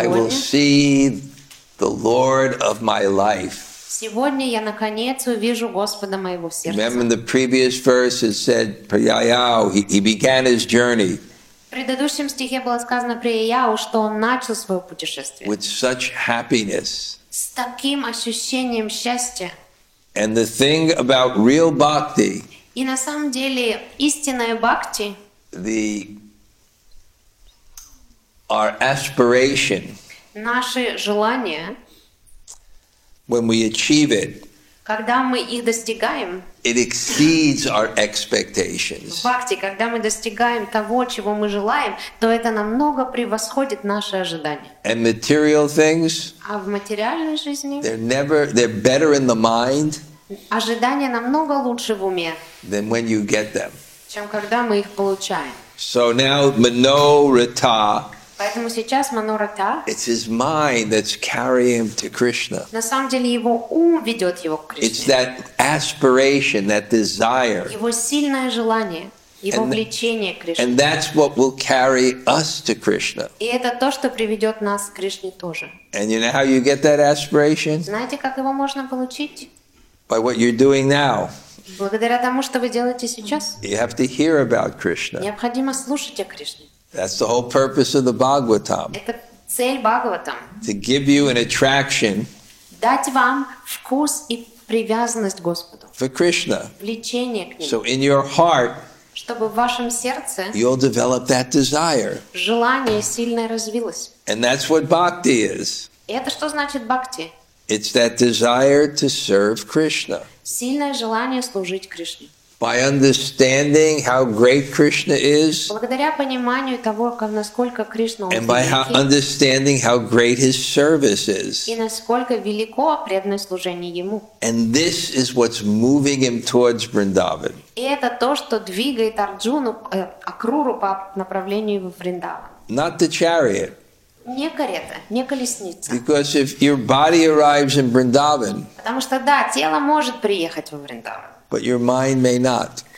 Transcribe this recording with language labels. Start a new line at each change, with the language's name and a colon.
English: I will see the Lord of my life.
Russian: Сегодня я наконец увижу Господа моего сердца.
English: Remember in the previous verse it said, Priyayau, he began his journey.
Russian: В предыдущем стихе было сказано Priyayau, что он начал свое путешествие.
English: With such happiness.
Russian: С таким ощущением счастья.
English: And the thing about real bhakti.
Russian: И на самом деле истинная бхакти.
English: Our aspiration.
Russian: Наши желания.
English: When we achieve it,
Russian: когда мы их достигаем,
English: it exceeds our expectations.
Russian: В бхакти, когда мы достигаем того, чего мы желаем, то это намного превосходит наши ожидания.
English: And material things,
Russian: а в материальной жизни,
English: they're better in the mind,
Russian: ожидания намного лучше в уме,
English: than when you get them.
Russian: Чем когда мы их получаем.
English: So now, Manorata.
Russian: Поэтому сейчас Манората.
English: It's his mind that's carrying him to Krishna.
Russian: На самом деле его ум ведет его к Кришне.
English: It's that aspiration, that desire.
Russian: Его сильное желание, его влечение к Кришне.
English: And that's what will carry us to Krishna.
Russian: И это то, что приведет нас к Кришне тоже.
English: And you know how you get that aspiration?
Russian: Знаете, как его можно получить?
English: By what you're doing now.
Russian: Благодаря тому, что вы делаете сейчас.
English: You have to hear about Krishna.
Russian: Необходимо слушать о Кришне.
English: That's the whole purpose of the Bhagavatam.
Russian: Это цель Бхагаватам.
English: To give you an attraction.
Russian: Дать вам вкус и привязанность Господу.
English: For Krishna.
Russian: Влечение к Нему.
English: So in your heart.
Russian: Чтобы в вашем сердце.
English: You'll develop that desire.
Russian: Желание сильное развилось.
English: And that's what bhakti is.
Russian: Это что значит бхакти?
English: It's that desire to serve Krishna.
Russian: Сильное желание служить Кришне.
English: By understanding how great Krishna is,
Russian: благодаря пониманию того, как насколько Кришна
English: and by understanding how great His service is,
Russian: и насколько велико преданное служение Ему,
English: and this is what's moving Him towards Vrindavan.
Russian: И это то, что двигает Арджуну, Акруру по направлению в Вриндаван.
English: Not the chariot.
Russian: Не карета, не колесница.
English: Because if your body arrives in Vrindavan.
Russian: Потому что да, тело может приехать во Вриндаван.
English: But your mind may not.